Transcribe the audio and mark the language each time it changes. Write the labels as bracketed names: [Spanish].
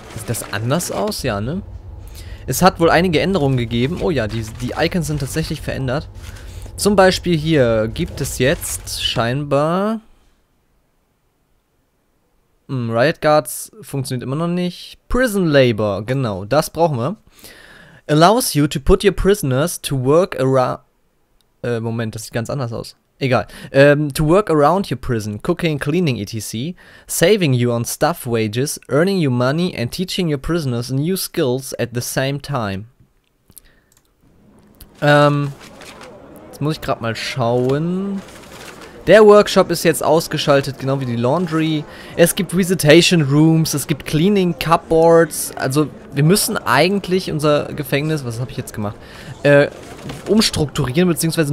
[German] Sieht das anders aus? Ja, ne? Es hat wohl einige Änderungen gegeben. Oh ja, die Icons sind tatsächlich verändert. Zum Beispiel hier gibt es jetzt scheinbar Riot Guards, funktioniert immer noch nicht. Prison Labor, genau, das brauchen wir. [English] Allows you to put your prisoners to work around. [German] Moment, das sieht ganz anders aus. Egal. [English] To work around your prison, cooking, cleaning, etc. Saving you on staff wages, earning you money and teaching your prisoners new skills at the same time. [German] Jetzt muss ich gerade mal schauen. Der Workshop ist jetzt ausgeschaltet, genau wie die Laundry. Es gibt Visitation Rooms, es gibt Cleaning Cupboards. Also wir müssen eigentlich unser Gefängnis, was habe ich jetzt gemacht, umstrukturieren bzw.